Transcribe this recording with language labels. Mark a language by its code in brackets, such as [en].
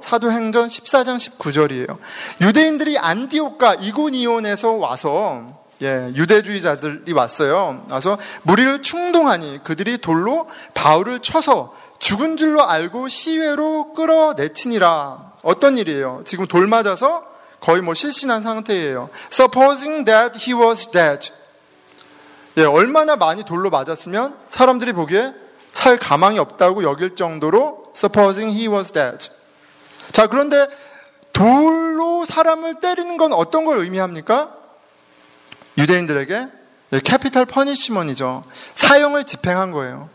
[ko] 사도행전 14장 19절이에요. 유대인들이 안디옥과 이고니온에서 와서, 유대주의자들이 왔어요. 와서 무리를 충동하니 그들이 돌로 바울을 쳐서 죽은 줄로 알고 시외로 끌어내치니라. 어떤 일이에요? 지금 돌 맞아서 거의 뭐 실신한 상태예요. [en] Supposing that he was dead. [ko] 예, 얼마나 많이 돌로 맞았으면 사람들이 보기에 살 가망이 없다고 여길 정도로 [en] supposing he was dead. [ko] 자, 그런데 돌로 사람을 때리는 건 어떤 걸 의미합니까? 유대인들에게 캐피탈 퍼니시먼이죠. 사형을 집행한 거예요.